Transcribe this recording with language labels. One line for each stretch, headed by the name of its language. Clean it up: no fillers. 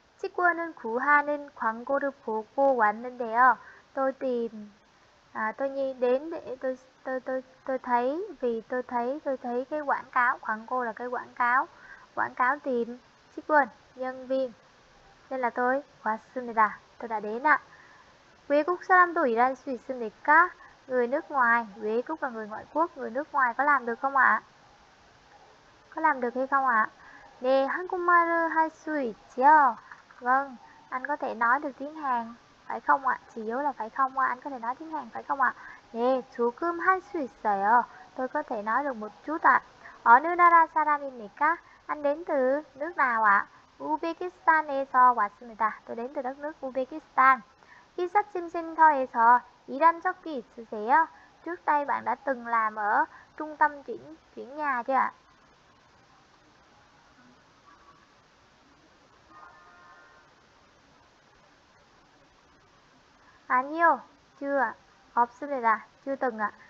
Korean: 직원은 구하는 광고를 보고 왔는데요.
Vietnamese: Tôi tìm tôi nhìn đến để tôi thấy vì tôi thấy cái quảng cáo, quảng cô là cái quảng cáo tìm 직원 nhân viên. Nên là tôi
Korean: 왔습니다.
Vietnamese: Tôi đã đến ạ.
Korean: 외국 사람도 일할 수 있습니까?
Vietnamese: Người nước ngoài, 외국 là người ngoại quốc, người nước ngoài có làm được không ạ? Có làm được hay không ạ?
Korean: 네, 한국말을 할 수 있죠?
Vietnamese: Vâng, anh có thể nói được tiếng Hàn, phải không ạ? Chỉ yếu là phải không ạ? Anh có thể nói tiếng Hàn, phải không ạ?
Korean: 네, 조금 할 수 있어요.
Vietnamese: Tôi có thể nói được một chút ạ.
Korean: 어느 나라 사람입니까?
Vietnamese: Anh đến từ nước nào ạ?
Korean: Uzbekistan에서 왔습니다.
Vietnamese: Tôi đến từ đất nước Uzbekistan.
Korean: 이삿짐센터에서 일한 적이 있으세요?
Vietnamese: Trước đây bạn đã từng làm ở trung tâm chuyển nhà chưa ạ? Anh yêu chưa học sinh này là chưa từng ạ.